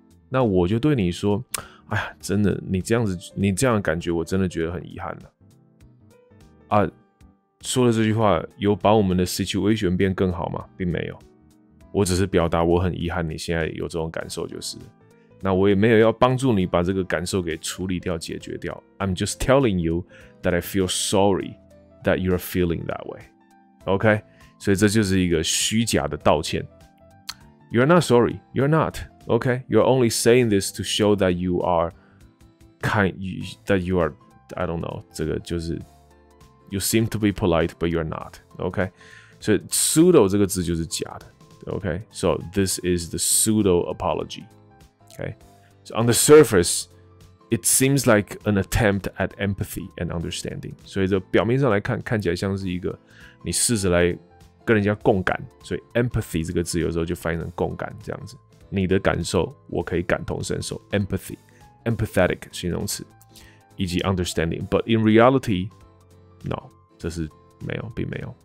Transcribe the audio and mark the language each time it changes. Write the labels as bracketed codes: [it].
[zh] 那我就对你说，哎呀，真的，你这样子，你这样的感觉，我真的觉得很遗憾了。啊，说了这句话，有把我们的 situation 变更好吗？并没有。我只是表达我很遗憾你现在有这种感受就是。那我也没有要帮助你把这个感受给处理掉解决掉。 [en] I'm just telling you that I feel sorry that you're feeling that way. OK? [zh] 所以这就是一个虚假的道歉。 [en] You're not sorry, you're not. OK? You're only saying this to show that you are kind, that you are, I don't know, [zh] 这个就是 [en] you seem to be polite, but you're not. [zh] OK? 所以 pseudo 这个字就是假的。 [en] Okay, so this is the pseudo apology. Okay, so on the surface, it seems like an attempt at empathy and understanding. [zh] 所以这表面上来看，看起来像是一个你试着来跟人家共感。所以 empathy 这个字有时候就翻译成共感这样子。你的感受我可以感同身受 ，empathy, empathetic 形容词，以及 understanding. [en] But in reality, no, [zh] 这是没有，并没有。